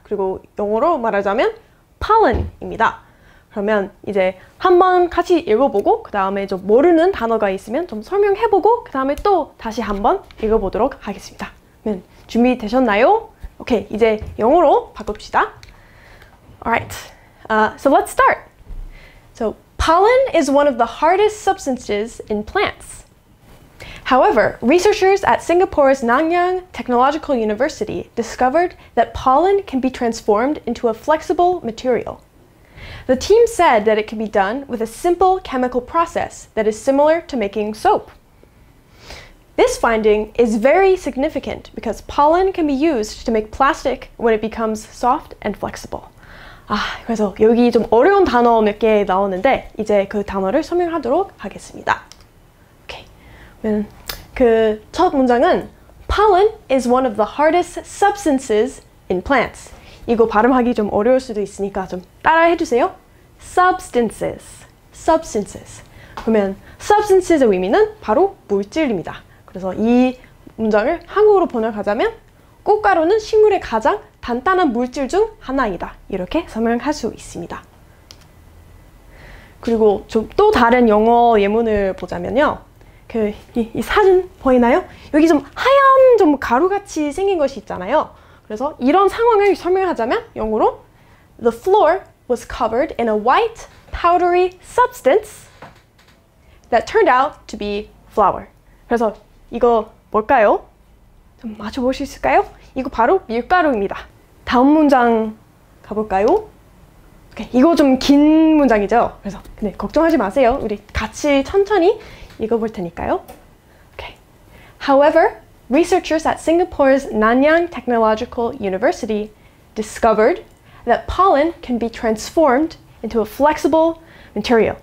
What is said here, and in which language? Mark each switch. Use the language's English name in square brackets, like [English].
[Korean] 그리고 영어로 말하자면 pollen입니다. 그러면 이제 한번 같이 읽어보고 그 다음에 좀 모르는 단어가 있으면 좀 설명해보고 그 다음에 또 다시 한번 읽어보도록 하겠습니다. 그러면 준비되셨나요? 오케이, 이제 영어로 바꿉시다. [English] Alright. So let's start. So pollen is one of the hardest substances in plants. However, researchers at Singapore's Nanyang Technological University discovered that pollen can be transformed into a flexible material. The team said that it can be done with a simple chemical process that is similar to making soap. This finding is very significant because pollen can be used to make plastic when it becomes soft and flexible. [Korean] 아, 그래서 여기 좀 어려운 단어 몇 개 나오는데 이제 그 단어를 설명하도록 하겠습니다. [English] 오케이. [Korean] 그러면 그 첫 문장은 [English] pollen is one of the hardest substances in plants. [Korean] 이거 발음하기 좀 어려울 수도 있으니까 좀 따라해 주세요. substances. substances. 그러면 substances의 의미는 바로 물질입니다. 그래서 이 문장을 한국어로 번역하자면 꽃가루는 식물의 가장 단단한 물질 중 하나이다. 이렇게 설명할 수 있습니다. 그리고 좀 또 다른 영어 예문을 보자면요. 그 이 사진 보이나요? 여기 좀 하얀 좀 가루같이 생긴 것이 있잖아요. 그래서 이런 상황을 설명하자면 영어로 [English] The floor was covered in a white powdery substance that turned out to be flour. [Korean] 그래서 이거 뭘까요? 좀 맞춰보실 수 있을까요? 이거 바로 밀가루입니다. 다음 문장 가볼까요? 오케이, 이거 좀 긴 문장이죠? 그래서 근데 걱정하지 마세요. 우리 같이 천천히 읽어볼 테니까요. [English] 오케이. However, researchers at Singapore's Nanyang Technological University discovered that pollen can be transformed into a flexible material.